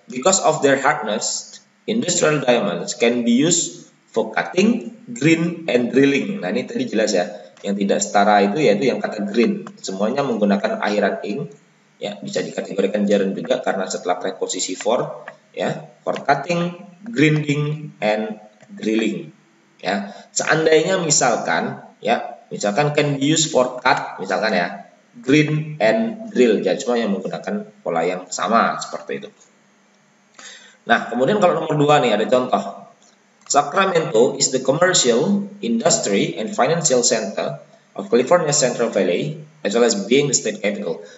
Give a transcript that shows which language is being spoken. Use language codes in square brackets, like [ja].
[en] Because of their hardness, industrial diamonds can be used for cutting, grind, and drilling. [id] Nah, ini tadi jelas ya. Yang tidak setara itu yaitu yang kata grind. Semuanya menggunakan akhiran ing. Ya, bisa dikategorikan gerund juga karena setelah preposisi for. [en] Ya, for cutting, grinding, and drilling. [id] Ya, seandainya misalkan, ya, misalkan [en] can be used for cut, [id] misalkan ya, [en] grind and drill. [id] Jadi semua yang menggunakan pola yang sama seperti itu. Nah, kemudian kalau nomor dua nih ada contoh. [en] Sacramento is the commercial, industry, and financial center of California Central Valley, as well as being the state capital.